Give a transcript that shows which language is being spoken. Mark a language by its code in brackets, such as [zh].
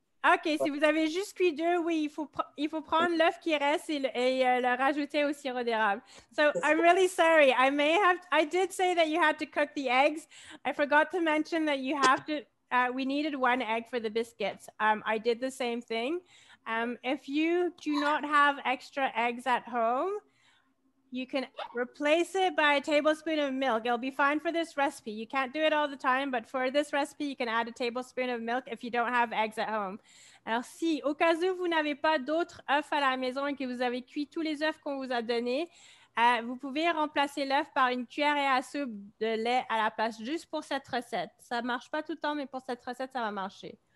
[fr] OK, si vous avez juste cuit deux, oui, il faut prendre l'œuf qui reste et le rajouter au sirop d'érable. [en] So, I'm really sorry. I did say that you had to cook the eggs. I forgot to mention that you have to, we needed one egg for the biscuits. I did the same thing. If you do not have extra eggs at home, you can replace it by a tablespoon of milk. It'll be fine for this recipe. You can't do it all the time, but for this recipe, you can add a tablespoon of milk if you don't have eggs at home. [fr] Alors, si au cas où vous n'avez pas d'autres œufs à la maison et que vous avez cuit tous les œufs qu'on vous a donnés, Vous pouvez remplacer l'œuf par une cuillère à soupe de lait à la place, juste pour cette recette. Ça ne marche pas tout le temps, mais pour cette recette, ça va marcher.